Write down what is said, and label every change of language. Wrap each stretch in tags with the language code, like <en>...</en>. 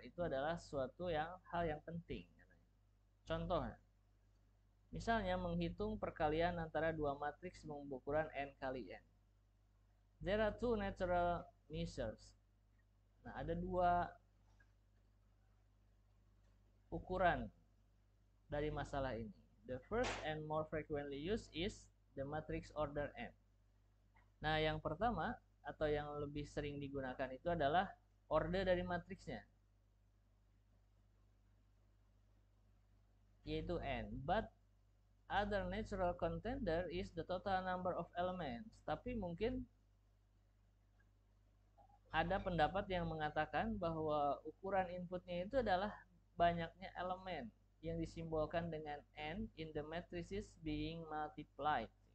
<id>Itu adalah suatu yang hal yang penting. Contoh, misalnya menghitung perkalian antara dua matriks mengukuran n kali n.</id> <en>There are two natural measures.</en> <id>Nah, ada dua ukuran dari masalah ini.</id> <en>The first and more frequently used is the matrix order n.</en> <id>Nah, yang pertama atau yang lebih sering digunakan itu adalah order dari matriksnya, yaitu n.</id> <en>But other natural contender is the total number of elements.</en> <id>Tapi mungkin ada pendapat yang mengatakan bahwa ukuran inputnya itu adalah banyaknya elemen yang disimbolkan dengan n</id> <en>in the matrices being multiplied.</en>